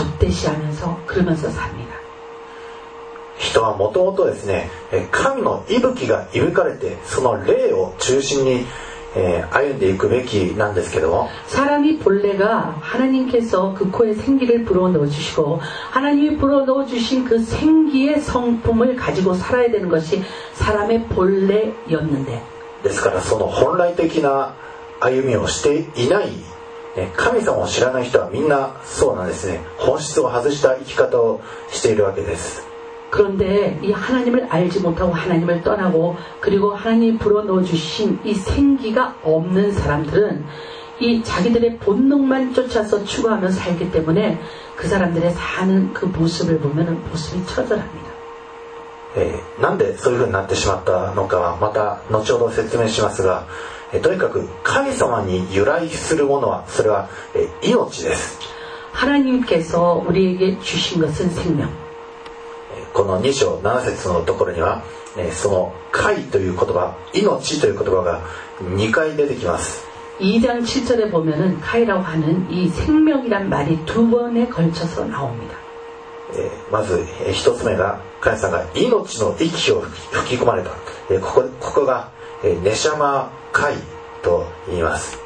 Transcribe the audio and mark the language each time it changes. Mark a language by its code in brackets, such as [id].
[ko] 시하면서그러면서삽니다 [ja] 人はもともとですね神の息吹が射抜かれてその霊を中心に歩んでいくべきなんですけども [ko] 사람이본래가하나님께서그코에생기를불어넣어주시고하나님이불어넣어주신그생기의성품을가지고살아야되는것이사람의본래였는데 [ja] ですからその本来的な歩みをしていない神様を知らない人はみんなそうなんですね本質を外した生き方をしているわけです [ko] 그런데이하나님을알지못하고하나님을떠나고그리고하나님이불어넣어주신이생기가없는사람들은이자기들의본능만쫓아서추구하며살기때문에그사람들의사는그모습을보면은모습이처절합니다 [ja] なんでそういうふうになってしまったのかはまた後ほど説明しますがとにかく神様に由来するものはそれは命です [ko] 하나님께서우리에게주신것은생명 [ja] この2章7節のところにはその解という言葉命という言葉が2回出てきます [ko] 2章7節で보면解라고하는이생명이란말이두번에걸쳐서나옵니다 [ja] まず1つ目が神様が命の息を吹き込まれたここがネシャマ解と言います